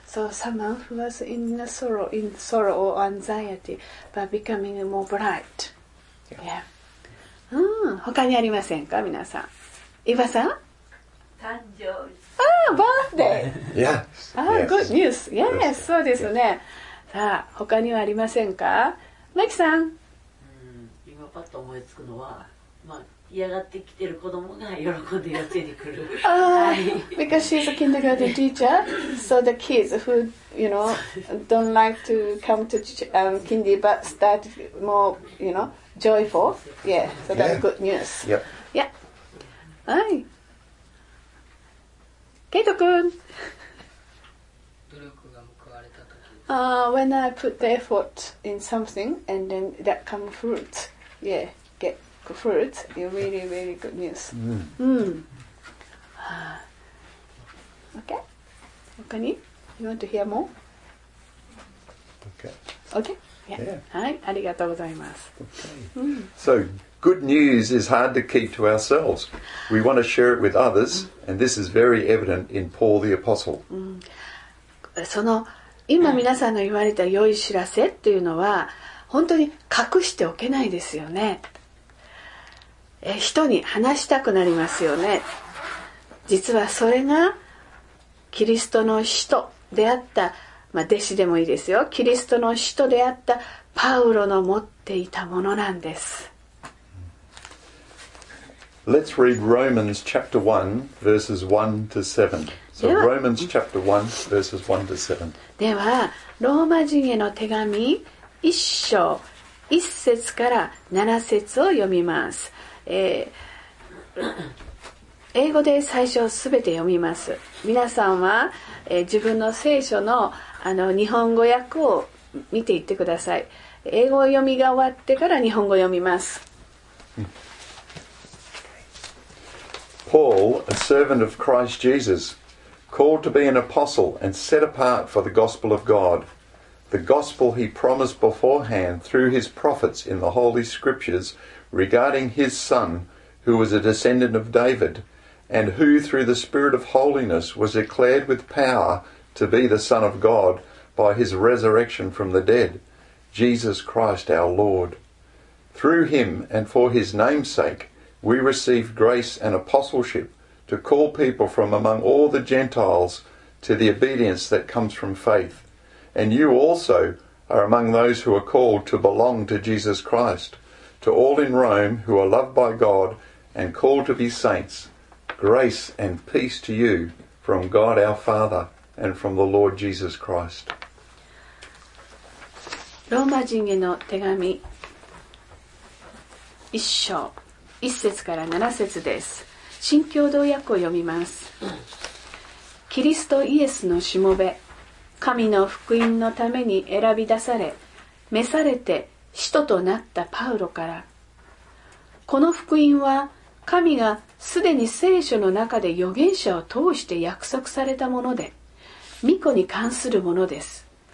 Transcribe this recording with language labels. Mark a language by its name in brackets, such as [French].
[English] Someone who was in sorrow or anxiety, but becoming more bright. Yeah. [Japanese] 他にありませんか皆さん。イバさん。誕生日。 [English] Birthday. Yeah. Good news. Yes. Yes. そうですね。 [Japanese] さあ、他にはありませんか。マキさん。今パッと思いつくのは、嫌がってきてる子供が喜んで寄せに来る。 [English] Because she's a kindergarten teacher, so the kids who, you know, don't like to come to kindy but start more, you know, joyful. Yeah, so that's good news. Yep. Yeah. はい。 [Japanese] ケイト君。努力が報われた時。 [English] When I put the effort in something and then that come fruit. Yeah, get. Fruit, you're really, really good news. Okay. Okay. You want to hear more? Okay. Okay. Yeah. Yeah. はい、ありがとうございます。 Okay. So, good news is hard to keep to ourselves. We want to share it with others, and this is very evident in Paul the Apostle. [Japanese] その、今皆さんの言われた良い知らせっていうのは、本当に隠しておけないですよね。人に話したくなりますよね。実はそれがキリストの使徒であった、まあ、弟子でもいいですよ。キリストの使徒であったパウロの持っていたものなんです。 [English] Let's read Romans chapter 1, verses 1 to 7. So Romans chapter 1, verses 1 to 7. [Japanese] では、ローマ人への手紙1章1節から7節を読みます。英語で最初すべて読みます。皆さんは、自分の聖書 の, あの日本語訳を見ていってください。英語読みが終わってから日本語読みます。 [English] Paul, a servant of Christ Jesus, called to be an apostle and set apart for the gospel of God, the gospel he promised beforehand through his prophets in the holy scriptures,regarding his son, who was a descendant of David, and who through the spirit of holiness was declared with power to be the son of God by his resurrection from the dead, Jesus Christ our Lord. Through him and for his name's sake, we receive grace and apostleship to call people from among all the Gentiles to the obedience that comes from faith. And you also are among those who are called to belong to Jesus Christ. To all in Rome who are loved by God and called to be saints, grace and peace to you from God our Father and from the Lord Jesus Christ. [Japanese] ローマ人への手紙一章一節から七節です。新共同訳を読みます。キリストイエスのしもべ、神の福音のために選び出され、召されて使徒となったパウロから、この福音は神がすでに聖書の中で預言者を通して約束されたもので、巫女に関するものです。